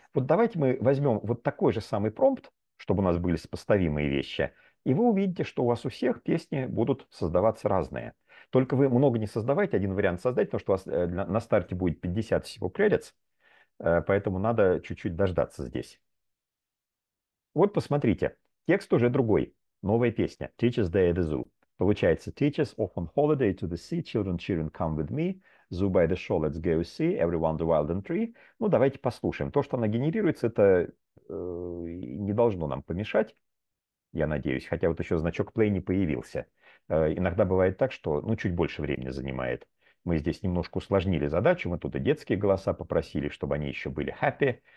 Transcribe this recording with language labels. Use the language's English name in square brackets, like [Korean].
[Russian] Вот давайте мы возьмем вот такой же самый промпт, чтобы у нас были сопоставимые вещи, и вы увидите, что у вас у всех песни будут создаваться разные. Только вы много не создавайте, один вариант создать, потому что у вас на старте будет 50 всего кредитов, поэтому надо чуть-чуть дождаться здесь. Вот посмотрите, текст уже другой. Новая песня. Teacher's Day at the Zoo. Получается, [English] teachers off on holiday to the sea, children, children, come with me. Zoo by the shore, let's go see. Everyone the wild and free. [Russian] Ну, давайте послушаем. То, что она генерируется, это не должно нам помешать, я надеюсь. Хотя вот еще значок play не появился. Иногда бывает так, что, ну, чуть больше времени занимает. Мы здесь немножко усложнили задачу. Мы тут и детские голоса попросили, чтобы они еще были happy.